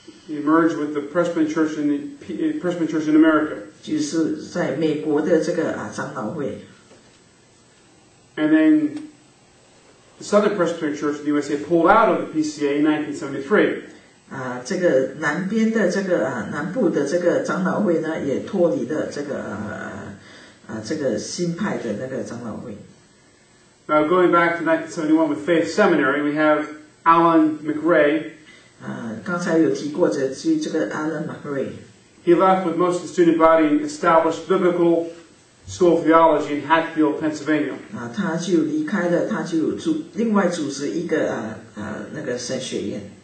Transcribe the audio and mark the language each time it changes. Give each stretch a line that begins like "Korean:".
English: It merged with the Presbyterian Church in America.
Chinese: 就是在美国的这个长老会。
English: And then the Southern Presbyterian Church in the USA pulled out of the PCA in 1973.
Chinese: 这个南边的这个南部的这个长老会呢，也脱离了这个新派的那个长老会。
English: Now, going back to 1971 with Faith Seminary, we have Alan McRae.
Chinese: 刚才有提过这个 Alan McRae.
English: He left with most of the student body and established biblical school of theology in Hatfield, Pennsylvania.
Chinese: 他就离开了，他就另外组织一个那个神学院。